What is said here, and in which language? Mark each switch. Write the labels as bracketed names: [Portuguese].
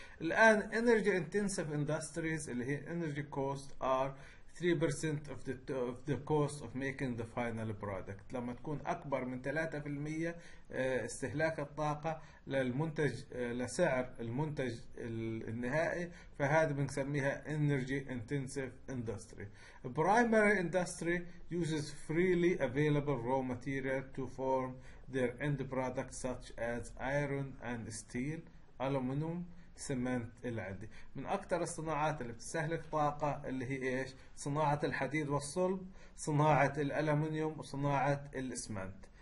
[Arabic] الآن [English] Energy Intensive Industries [Arabic] اللي هي [English] Energy Cost are 3% of the cost of making the final product. [Arabic] لما تكون أكبر من 3% استهلاك الطاقة للمنتج، لسعر المنتج النهائي، فهذا بنسميها energy intensive industry. [English] Primary industry uses freely available raw material to form their end product such as iron and steel, aluminum, cement. [Arabic] العدي من اكثر الصناعات اللي بتستهلك طاقه اللي هي ايش؟ صناعه الحديد والصلب، صناعه الالومنيوم، وصناعه الاسمنت.